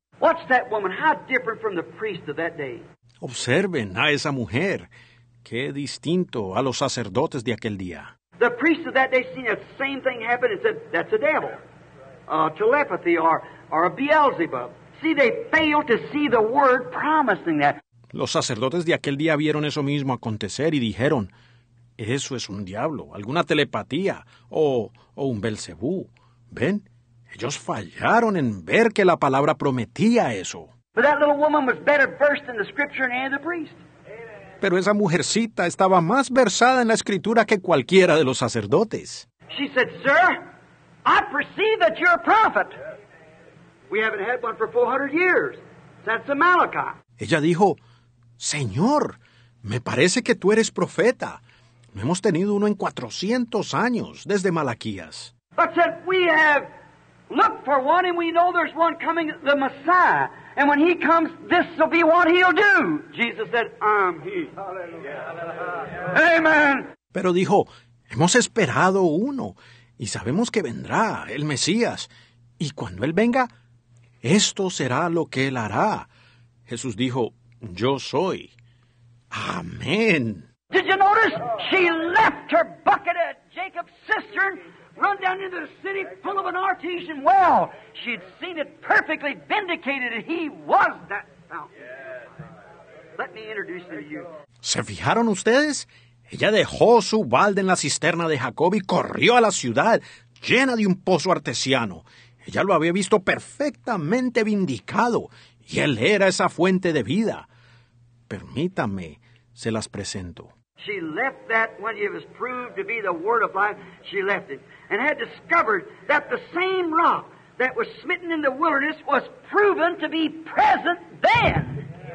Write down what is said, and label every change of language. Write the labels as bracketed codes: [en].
[en] Watch that woman, how different from the priest of that day. [es] Observen a esa mujer, qué distinto a los sacerdotes de aquel día. [en] The priest of that day seen that same thing happen and said, that's a devil. Telepathy or a Beelzebub. See, they failed to see the word promising that. [es] Los sacerdotes de aquel día vieron eso mismo acontecer y dijeron, eso es un diablo, alguna telepatía o un Belcebú. ¿Ven? Ellos fallaron en ver que la palabra prometía eso. [en] But that little woman was better versed in the scripture than the priest. [es] Pero esa mujercita estaba más versada en la escritura que cualquiera de los sacerdotes. [en] She said, sir, I perceive that you're a prophet. We haven't had one for 400 years. That's a Malachi. [es] Ella dijo, Señor, me parece que tú eres profeta. No hemos tenido uno en 400 años desde Malaquías. [en] But said, we have looked for one and we know there's one coming, the Messiah. And when he comes, this will be what he'll do. Jesus said, I'm he. Hallelujah. Amen. [es] Pero dijo, hemos esperado uno y sabemos que vendrá el Mesías. Y cuando él venga, esto será lo que él hará. Jesús dijo, yo soy. Amén. [en] Did you notice? She left her bucket at Jacob's cistern, run down into the city full of an artesian well. She'd seen it perfectly vindicated, and he was that fountain. Let me introduce you to you. [es] ¿Se fijaron ustedes? Ella dejó su balde en la cisterna de Jacob y corrió a la ciudad llena de un pozo artesiano. Ella lo había visto perfectamente vindicado, y él era esa fuente de vida. Permítame, se las presento. [en] She left that when it was proved to be the word of life, she left it. And had discovered that the same rock that was smitten in the wilderness was proven to be present then.